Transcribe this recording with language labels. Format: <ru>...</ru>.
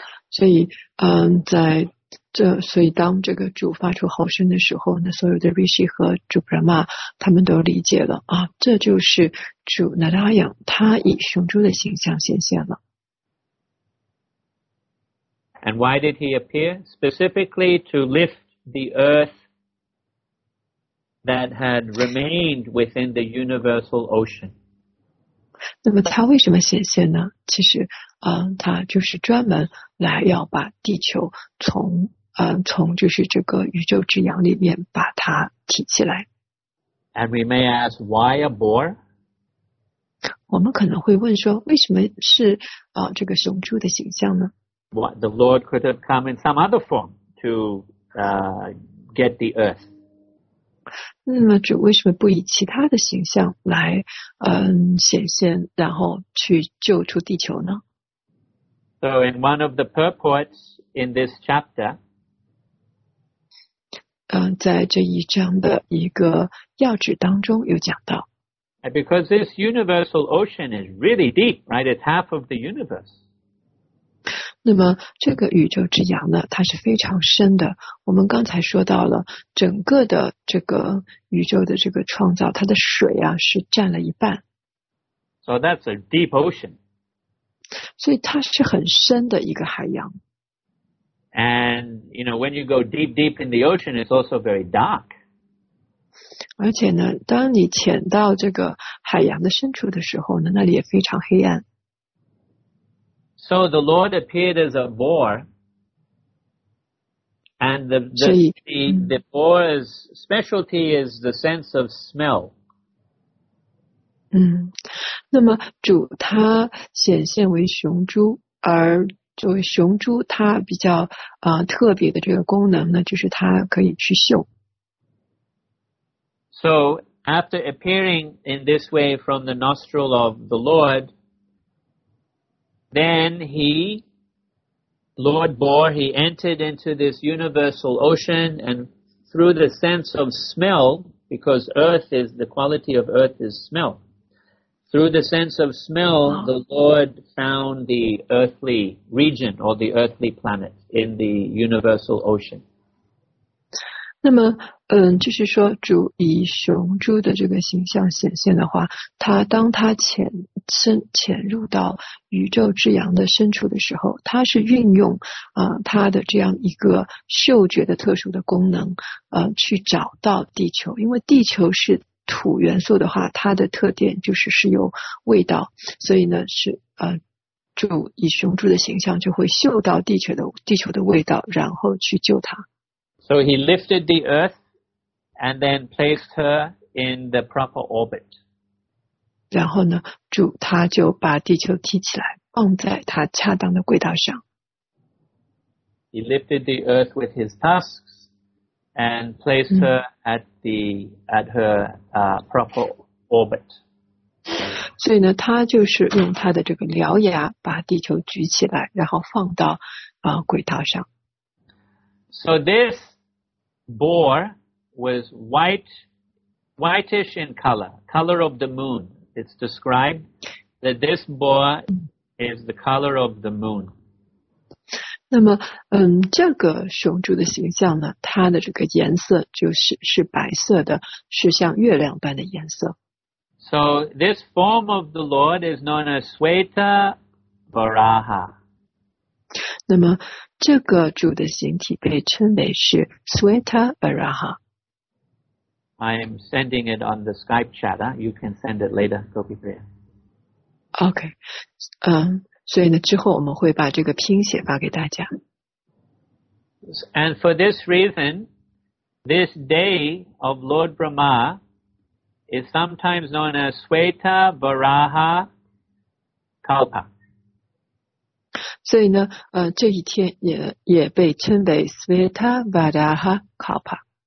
<zh>所以在这所以当这个主发出吼声的时候呢所有的 rishi 和主 Brahma, 他们都理解了啊这就是主 Narayan, 他以雄猪的形象显现了。</zh> <en>And why did he appear? Specifically to lift the earth that had remained within the universal ocean.</en> <zh>那么他为什么显现呢？其实，他就是专门来要把地球从就是这个宇宙之洋里面把它提起来。</zh> <en>And we may ask why a boar?</en> <zh>我们可能会问说，为什么是这个雄猪的形象呢？</zh> <en>What, the Lord could have come in some other form to get the earth.</en> <zh>那么主为什么不以其他的形象来显现然后去救出地球呢</zh> <en>So in one of the purports in this chapter,</en> <zh>在这一章的一个要旨当中有讲到</zh> <en>Because this universal ocean is really deep, right? It's half of the universe.</en> <zh>那么这个宇宙之洋呢它是非常深的我们刚才说到了整个的这个宇宙的这个创造它的水啊是占了一半</zh> <en>So that's a deep ocean</en> <zh>所以它是很深的一个海洋</zh> <en>And you know when you go deep deep in the ocean it's also very dark</en> <zh>而且呢当你潜到这个海洋的深处的时候呢那里也非常黑暗</zh> <en>So the Lord appeared as a boar, and the boar's specialty is the sense of smell.</en> <zh>那么主他显现为雄猪，而作为雄猪他比较特别的这个功能呢，就是他可以去嗅。</zh> <en>So after appearing in this way from the nostril of the Lord, then Lord Boar, he entered into this universal ocean, and through the sense of smell, because earth is, the quality of earth is smell, through the sense of smell, the Lord found the earthly region or the earthly planet in the universal ocean.</en> <zh>那么就是说主以雄猪的这个形象显现的话，他当他潜入到宇宙之阳的深处的时候，他是运用他的这样一个嗅觉的特殊的功能去找到地球，因为地球是土元素的话，它的特点就是有味道，所以呢是主以雄猪的形象就会嗅到地球的味道，然后去救它。</zh> <en>So he lifted the earth and then placed her in the proper orbit.</en> <zh>然后呢，主他就把地球提起来，放在他恰当的轨道上。</zh> <en>He lifted the earth with his tusks and placed her proper orbit.</en> <zh>所以呢，他就是用他的这个獠牙把地球举起来，然后放到轨道上。</zh> <en>So this boar was whitish in color of the moon. It's described that this boar is the color of the moon.</en> <zh>那么这个雄猪的形象呢，它的这个颜色就是白色的，是像月亮般的颜色。</zh> <en>So this form of the Lord is known as Shweta Varaha.</en> <zh>那么这个主的形体被称为是 Shweta Varaha.</zh> <en>I am sending it on the Skype chat. You can send it later, Gopi Priya. Okay.</en> <zh>所以呢，之后我们会把这个拼写发给大家。</zh> <en>And for this reason, this day of Lord Brahma is sometimes known as Shweta Varaha Kalpa.</en> <zh>所以呢，这一天也被称为 Shweta Varaha Kalpa.</zh>